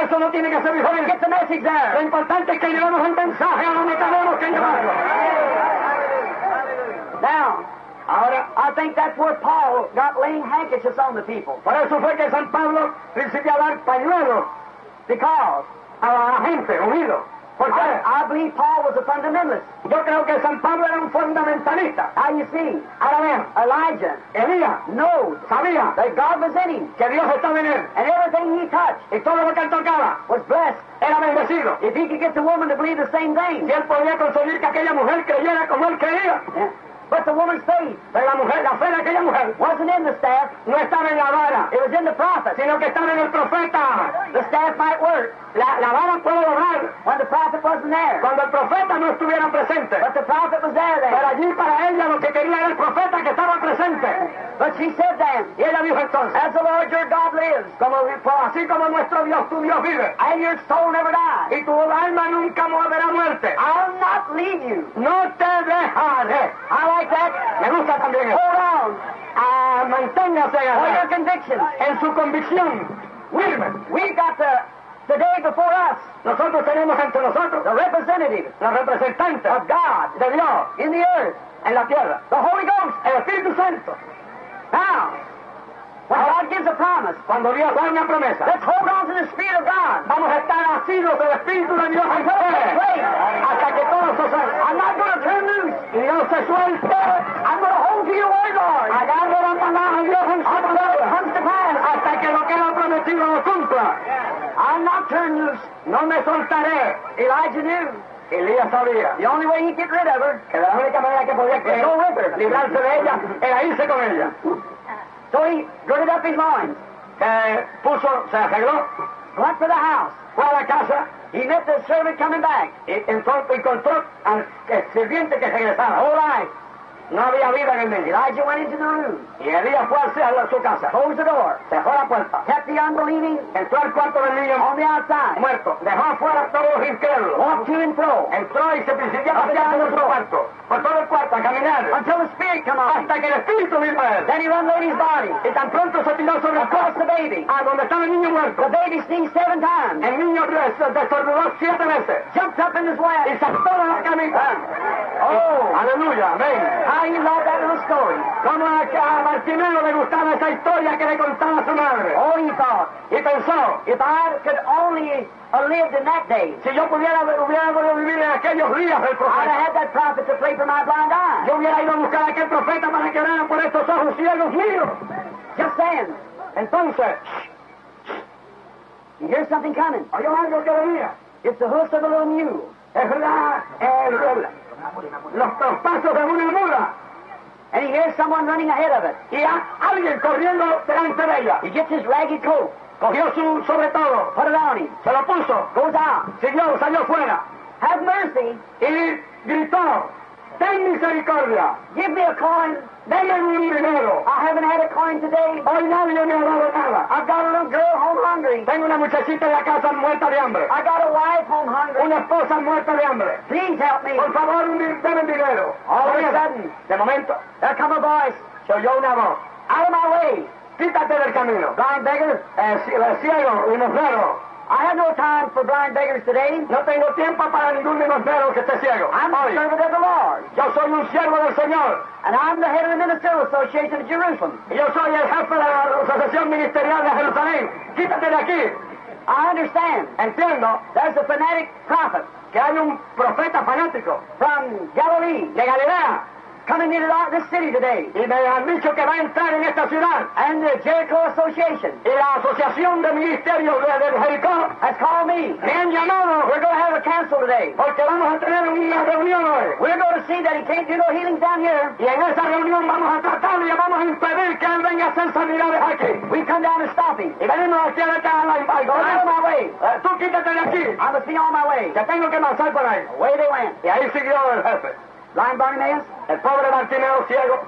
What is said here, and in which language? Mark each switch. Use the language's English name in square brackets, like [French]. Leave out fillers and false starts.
[Spanish] Eso no tiene que ser diferente. [English] Get the message there. [Spanish] Lo importante es que llevamos un mensaje a donde tenemos que llevarlo. [English] Now. [Spanish] Ahora, [English] I think that's where Paul got laying handkerchiefs on the people. [Spanish] Por eso fue que San Pablo principió a dar pañuelos. [English] Because [Spanish] a la gente unido. ¿Por qué? [English] I believe Paul was a fundamentalist. [Spanish] Yo creo que San Pablo era un fundamentalista. [English] Now you see. [Spanish] Ahora vean. [English] Elijah. [Spanish] Elías. [English] Knows. [Spanish] Sabía. [English] That God was in him. [Spanish] Que Dios estaba en él. [English] And everything he touched. [Spanish] Y todo lo que él tocaba. [English] Was blessed. [Spanish] Era bendecido. [English] If he could get the woman to believe the same thing. [Spanish] Si él podía conseguir que aquella mujer creyera como él creía. [English] But the woman's faith. [Spanish] Pero la fe de aquella mujer. [English] Wasn't in the staff. [Spanish] No estaba en la vara. [English] It was in the prophet. [Spanish] Sino que estaba en el profeta. [English] The staff might work. [Spanish] La vara puede lograr. [English] When the prophet wasn't there. [Spanish] Cuando el profeta no estuviera presente. [English] But the prophet was there then. [Spanish] Pero allí para ella lo que quería era el profeta que estaba presente. [English] But But she said then. [Spanish] Y ella dijo entonces. [English] As the Lord your God lives. [Spanish] Como, pues, así como nuestro Dios, tu Dios vive. [English] And your soul never dies. [Spanish] Y tu alma nunca volverá muerte. [English] I'll not leave you. [Spanish] No te dejaré. [English] I like that. [Spanish] Me gusta también. [English] Hold on. [Spanish] Manténgase. [English] For your conviction. [Spanish] En su convicción. [English] We've got the today before us. [Spanish] Nosotros tenemos ante nosotros. [English] The representative. [Spanish] La representante. [English] Of God. [Spanish] De Dios. [English] In the earth. [Spanish] En la tierra. [English] The Holy Ghost. [Spanish] El Espíritu Santo. [English] Now. When God gives a promise, [Spanish] cuando Dios da una promesa, [English] let's hold on to the Spirit of God. [Spanish] Vamos a estar asidos del Espíritu de Dios en fe. Hasta que todo se suelte. [English] I'm not going to turn loose. [Spanish] Y no se suelte. [English] I'm going to hold to your word, Lord. [Spanish] Allá donde van palabras de Dios en su palabra. [English] Comes to pass. [Spanish] Hasta que lo que ha prometido lo cumpla. [English] Yeah. I'm not turning loose. [Spanish] No me soltaré. [English] Elijah knew. [Spanish] Elías sabía. [English] The only way he'd get rid of her. [Spanish] Que la única manera que podía que [English] go with her. [Spanish] Librarse de ella era irse con ella. [English] So he girded up his loins. [Spanish] Puso, se arregló. [English] Went to the house. [Spanish] Fue a la casa. [English] He met the servant coming back. [Spanish] Encontró al sirviente que regresaba. [English] All right. [Spanish] No había vida en el medio. [English] Elijah went into the room. [Spanish] Y Elías fue hacia su casa. [English] Closed the door. [Spanish] Cerró la puerta. [English] Kept the unbelieving. [Spanish] Entró al cuarto del niño. [English] On the outside. [Spanish] Muerto. Dejó afuera todos los incrédulos. [English] Walked to and fro. [Spanish] Entró y se presentó hacia el otro cuarto. Por todo el cuarto a caminar. [English] Until the spirit came on. [Spanish] Hasta que el espíritu vino a él. [English] Then he ran the lady's body. [Spanish] Y tan pronto se tiró sobre [English] across the baby. [Spanish] A donde estaba el niño muerto. [English] The baby sneezed 7 times. [Spanish] El niño se desordenó 7 veces. [English] Jumped up in his lap. [Spanish] Y saltó a la camisa. Oh. Aleluya. Amén. [English] How he loved that little story. [Spanish] Como a Bartimeo le gustaba esa historia que le contaba su madre. [English] Oh, he thought. [Spanish] Y pensó. [English] If I could only have lived in that day. [Spanish] Si yo hubiera podido vivir en aquellos días del profeta. [English] I'd have had that prophet to pray for my blind eyes. [Spanish] Yo hubiera ido a buscar a aquel profeta para que oraran por estos ojos ciegos míos. [English] Just then. [Spanish] Entonces. [English] You hear something coming. [Spanish] ¿Hay algo que venía? [English] It's the hoofs of a little mule. [Spanish] Es la rueda. Los traspasos de una mula. [English] And he hears someone running ahead of it. [Spanish] Y alguien corriendo delante de ella. [English] He gets his ragged coat. [Spanish] Cogió su sobre todo. [English] Put it on him. [Spanish] Se lo puso. [English] Goes out. [Spanish] Siguió, salió fuera. [English] Have mercy. [Spanish] Y gritó. Ten misericordia. [English] Give me a coin. [Spanish] Dame un dinero. [English] I haven't had a coin today. [Spanish] Hoy nadie me ha dado nada. [English] I've got a little girl home hungry. [Spanish] Tengo una muchachita en la casa muerta de hambre. [English] I got a wife home hungry. [Spanish] Una esposa muerta de hambre. [English] Please help me. [Spanish] Por favor, dame dinero. [English] All of a sudden. [Spanish] De momento. [English] There come a voice. [Spanish] Se oyó una voz. [English] Out of my way. [Spanish] Quítate del camino. [English] Blind beggar. [Spanish] Ciego, limosnero. [English] I have no time for blind beggars today. [Spanish] No tengo tiempo para ningún limosnero que esté ciego. [English] I'm a servant of the Lord. [Spanish] Yo soy un siervo del Señor. [English] And I'm the head of the Ministerial Association of Jerusalem. [Spanish] Y yo soy el jefe de la Asociación Ministerial de Jerusalén. Quítate de aquí. [English] I understand. [Spanish] Entiendo. [English] There's a fanatic prophet. [Spanish] Que hay un profeta fanático. [English] From Galilee. [Spanish] De Galilea. [English] Coming into this city today. [Spanish] Y me han dicho que va a entrar en esta ciudad. [English] And the Jericho Association. [Spanish] Y la Asociación de Ministerios de Jericó. [English] Has called me. [Spanish] Me han llamado. [English] We're going to have a council today. [Spanish] Porque vamos a tener una reunión hoy. [English] We're going to see that he can't do no healings down here. [Spanish] Y en esa reunión vamos a tratarlo y vamos a impedir que él venga a hacer sanidades aquí. [English] We come down to stop him. [Spanish] Y venimos aquí a la casa. [English] Go out of my way. [Spanish] Tú quítate de aquí. [English] I must be on my way. [Spanish] Te tengo que marchar por ahí. [English] Away they went. [Spanish] Y ahí siguió el jefe. [English] Blind Bartimaeus, [Spanish] el pobre Bartimeo ciego,